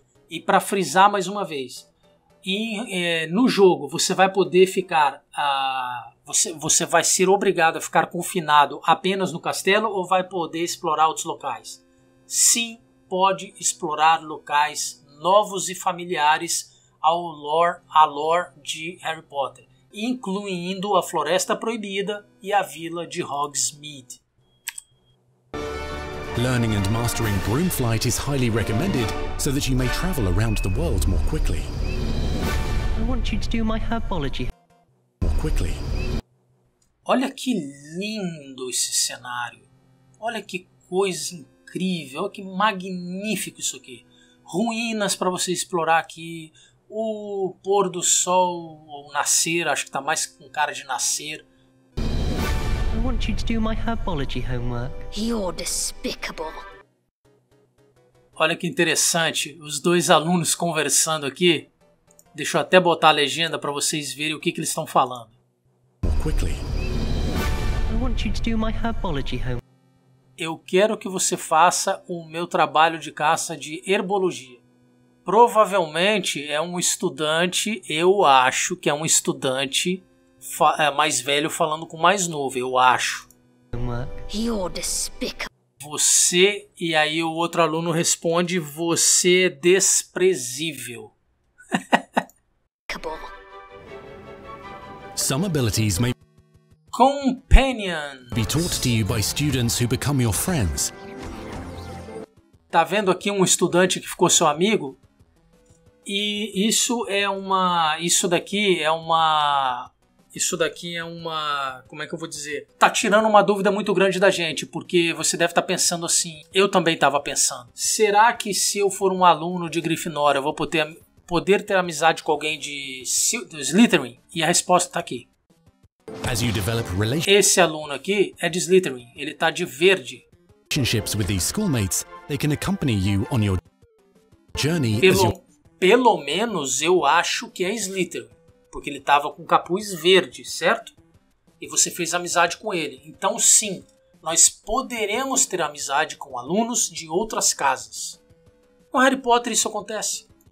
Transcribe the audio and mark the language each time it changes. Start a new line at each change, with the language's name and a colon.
Portuguese: E para frisar mais uma vez. No jogo você vai poder ficar, você vai ser obrigado a ficar confinado apenas no castelo ou vai poder explorar outros locais? Sim, pode explorar locais novos e familiares à lore de Harry Potter, incluindo a Floresta Proibida e a Vila de Hogsmeade.
English: Learning and mastering broom flight is highly recommended so that you may travel around the world more quickly. I want you to do my herbology. More quickly.
Portuguese: Olha que lindo esse cenário. Olha que coisa incrível. Olha que magnífico isso aqui. Ruínas para você explorar aqui. O pôr do sol ou nascer. Acho que está mais com cara de nascer.
English: I want you to do my herbology homework. You're despicable.
Portuguese: Olha que interessante. Os dois alunos conversando aqui. Deixa eu até botar a legenda para vocês verem o que eles estão falando.
English: More quickly. I want you to do my herbology homework.
Portuguese: Eu quero que você faça o meu trabalho de caça de herbologia. Provavelmente é um estudante, eu acho que é um estudante mais velho falando com mais novo, eu acho.
English: You're despicable.
Portuguese: Você, e aí o outro aluno responde, você é desprezível.
English: Some abilities may companion be taught to you by students who become your friends.
Portuguese: Tá vendo aqui um estudante que ficou seu amigo? E isso daqui é uma, como é que eu vou dizer? Tá tirando uma dúvida muito grande da gente, porque você deve estar pensando assim, eu também estava pensando. Será que se eu for um aluno de Grifinória, eu vou poder ter amizade com alguém de Slytherin? E a resposta tá aqui.
English: As you develop
Portuguese: Esse aluno aqui é de Slytherin, ele tá de verde.
English: Relationships with these schoolmates, they can accompany you on your journey
Portuguese: pelo,
English: as you...
Portuguese: pelo menos eu acho que é Slytherin, porque ele tava com capuz verde, certo? E você fez amizade com ele. Então sim, nós poderemos ter amizade com alunos de outras casas. Com Harry Potter isso acontece.